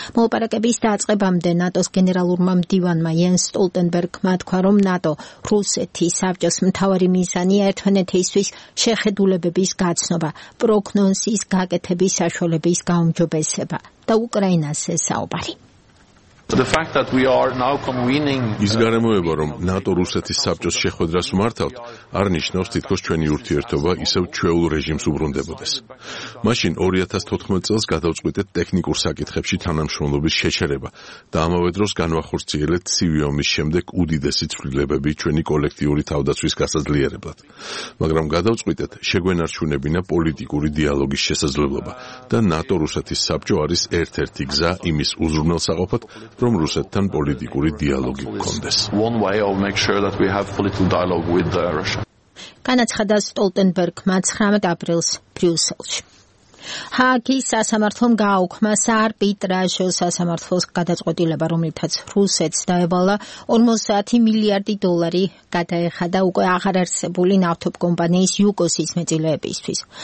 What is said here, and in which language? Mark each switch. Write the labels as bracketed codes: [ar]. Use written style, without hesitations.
[ka] მოლაპარაკების დაწყებამდე ნატოს გენერალურმა მდივანმა იენს სტოლტენბერგმა თქვა, რომ ნატო რუსეთის საბჭოს მთავარი მიზანია ერთმანეთისთვის შეხედულებების გაცნობა, პროგნოზის გაკეთების საშუალების გაუმჯობესება და უკრაინაზე საუბარი. [en] The fact that we are now convening [ka] ის გარემოება, რომ ნატო რუსეთის საბჭოს შეხვედრას მართავთ, არნიშნავს თითქოს ჩვენი ურთიერთობა ისევ ჩვეულ რეჟიმს უბრუნდებოდეს. მაშინ 2014 წელს გადავწყვიტეთ ტექნიკურ საკითხებში თანამშრომლობის შეჩერება და ამავე დროს განვახორციელეთ ცივი ომის შემდეგ უდიდესი ცვლილებები ჩვენი კოლექტიური თავდაცვის გასაძლიერებლად. მაგრამ გადავწყვიტეთ შეგვენარჩუნებინა პოლიტიკური დიალოგის შესაძლებლობა და ნატო რუსეთის საბჭო არის ერთ-ერთი გზა იმის უზრუნველსაყოფად, რომ რუსეთთან პოლიტიკური დიალოგი გქონდეს. [en] One way of make sure that we have political dialogue with Russia. [ka] განაცხადა სტოლტენბერგმა 19 აპრილს ბრიუსელში. ჰააგის სასამართლომ გააუქმა საარბიტრაჟო სასამართლოს გადაწყვეტილება, რომლითაც რუსეთს დაევალა 50 მილიარდი დოლარი გადაეხადა უკვე აღარარსებული ნავთობკომპანიის იუკოსის მეწილეებისთვის.